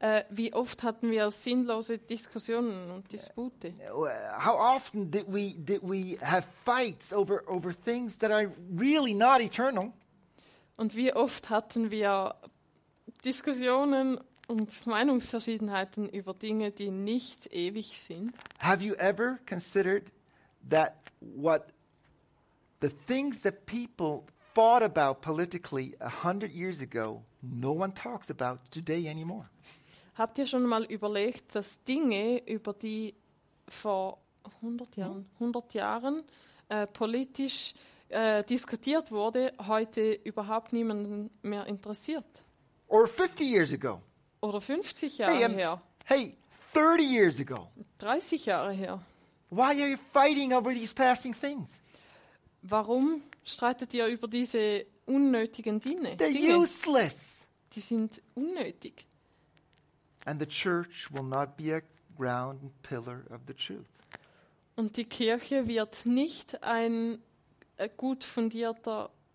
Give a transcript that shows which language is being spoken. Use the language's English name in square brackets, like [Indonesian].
[German] Wie oft hatten wir sinnlose Diskussionen und Dispute? [English] How often did we have fights over things that are really not eternal? [German] Und wie oft hatten wir Diskussionen und Meinungsverschiedenheiten über Dinge, die nicht ewig sind? [English] Have you ever considered that what the things that people thought about politically 100 years ago, no one talks about today anymore. [German] Habt ihr schon mal überlegt, dass Dinge, über die vor 100 Jahren politisch diskutiert wurde, heute überhaupt niemanden mehr interessiert? [English] Or 50 years ago. [German] Oder 50 Jahre her. [English] Hey, 30 years ago. [German] 30 Jahre her. [English] Why are you fighting over these passing things? [German] Warum streitet ihr über diese unnötigen Dinge? [English] They're useless. [German] Die sind unnötig. [English] And the church will not be a ground and pillar of the truth. [German] Und die Kirche wird nicht ein gut fundierter